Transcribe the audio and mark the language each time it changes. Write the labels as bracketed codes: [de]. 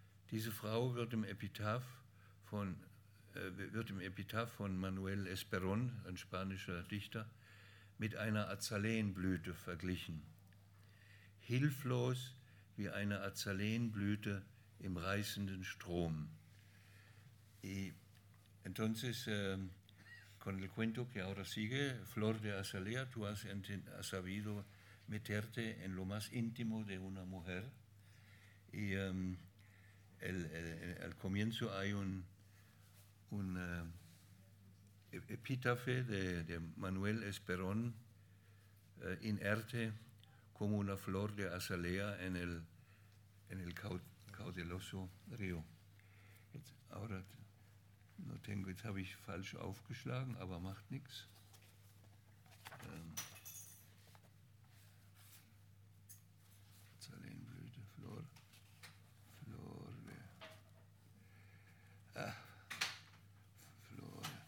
[de] Diese Frau wird im Epitaph von Manuel Esperón, ein spanischer Dichter, mit einer Azaleenblüte verglichen. Hilflos wie eine Azaleenblüte im reißenden Strom. Entonces, [es] con el cuento que ahora sigue, Flor de Azalea, tú has, has sabido meterte en lo más íntimo de una mujer. Y al comienzo hay un epítafe de Manuel Esperón, inerte como una flor de azalea en el caudaloso río. Ahora no tengo, [de] jetzt habe ich falsch aufgeschlagen, aber macht nichts. Azaleenblüte, Flor. Flor.